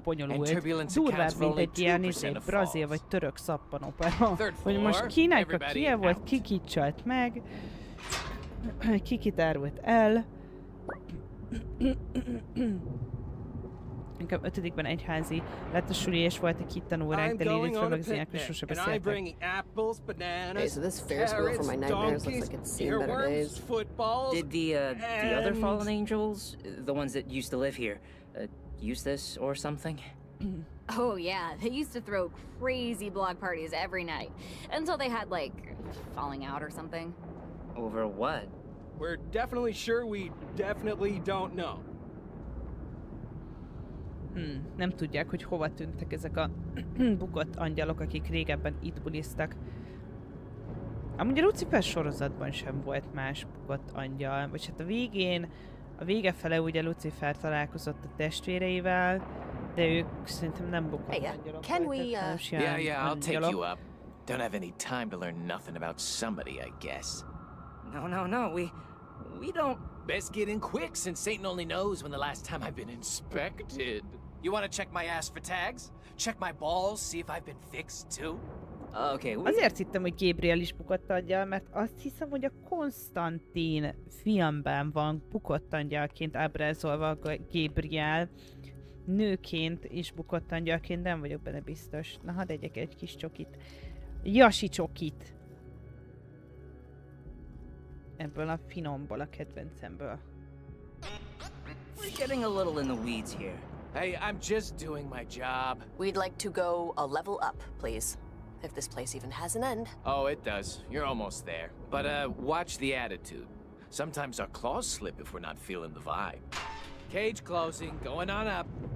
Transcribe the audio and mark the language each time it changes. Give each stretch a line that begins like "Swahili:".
Hungarian: bonyolult, durvább, mint egy ilyen brazil vagy török szappanopera. Hogy most kinek a kie volt, ki kit csalt meg, ki kit árult el. Inkább ötödikben egyházi letesülés volt a kittanórák, de lényeg fölök az ilyenekről sose beszéltek.
English: Apples, bananas, hey, so this Ferris wheel for my nightmares looks like it's seen better days. Footballs, did the other fallen angels, the ones that used to live here, use this or something? Oh yeah, they used to throw crazy blog parties every night. Until they had, like, falling out or something. Over what? We're definitely sure we definitely don't know.
Hungarian: Nem tudják, hogy hova tűntek ezek a bukott angyalok, akik régebben itt buliztak. Amúgy a Lucifer sorozatban sem volt más bukott angyal. Vagy hát a vége fele ugye Lucifer találkozott a testvéreivel, de ők szerintem nem bukott angyalok.
English: Can we, Yeah, I'll take you up. Don't have any time to learn nothing about somebody, I guess. No, we don't... Best get in quick, since Satan only knows when the last time I've been inspected. You want to check my ass for tags? Check my balls, see if I've been fixed too? Okay, we...
Hungarian: Azért hittem, hogy Gabriel is bukott angyal, mert azt hiszem, hogy a Konstantin filmben van bukott angyalként ábrázolva Gabriel. Nőként is bukott angyalként, nem vagyok benne biztos. Na, hadd egyek egy kis csokit. Jasi csokit! Ebből a finomból, a kedvencemből.
English: We're getting a little in the weeds here. Hey, I'm just doing my job. We'd like to go a level up, please. If this place even has an end. Oh, it does. You're almost there. But watch the attitude. Sometimes our claws slip if we're not feeling the vibe. Cage closing, going on up.